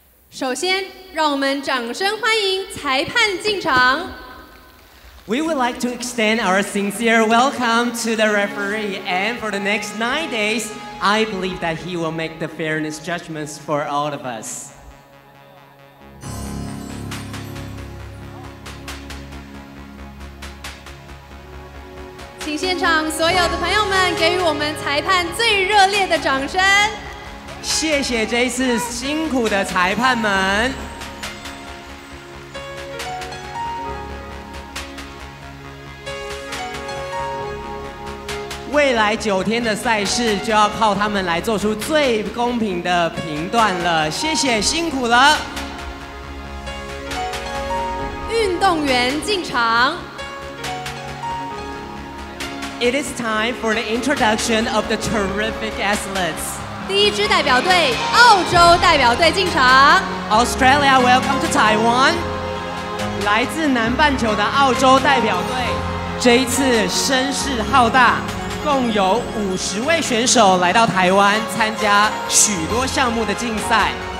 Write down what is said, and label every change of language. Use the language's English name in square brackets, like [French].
[Chinese] 首先，让我们掌声欢迎裁判进场。 [English] We would like to extend our sincere welcome to the referee, and for the next 9 days, I believe that he will make the fairness judgments for all of us. [Chinese] 请现场所有的朋友们给予我们裁判最热烈的掌声。谢谢这一次辛苦的裁判们。未来9天的赛事就要靠他们来做出最公平的评断了。谢谢，辛苦了。运动员进场。 [English] It is time for the introduction of the terrific athletes. [Chinese] 第一支代表队，澳洲代表队进场。 [English] Australia, welcome to Taiwan. [Chinese] 来自南半球的澳洲代表队，这一次声势浩大，共有50位选手来到台湾参加许多项目的竞赛。